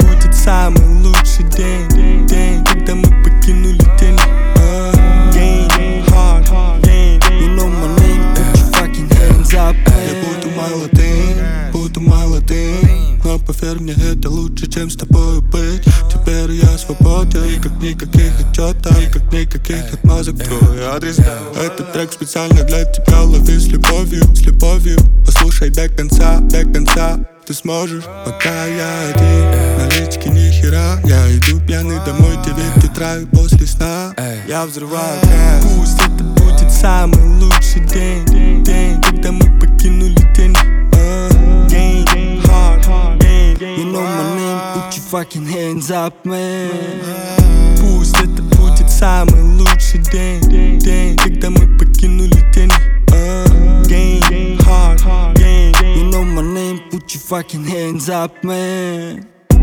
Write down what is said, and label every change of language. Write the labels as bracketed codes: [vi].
[ru] Самый лучший день, когда мы покинули тени. [en] Game, hard game, you know my name, put your fucking hands up. [ru] Я буду молодым, но поверь мне, это лучше, чем с тобой быть. Теперь я свободен, как никаких отчетов, как никаких отмазок в твой адрес. Этот трек специально для тебя, лови с любовью. Послушай до конца. Ты сможешь, пока я один. Налички нихера. Я иду пьяный домой, 9 утра и после сна. Я взрываю кайф. Пусть это будет самый лучший день, когда мы покинули тени. [en] Game, hard game. You know my name, put your fucking hands up, man. [ru] Пусть это будет самый лучший день, когда мы покинули тени. [en] Game, hard game. You know my name, put your fucking hands up, man.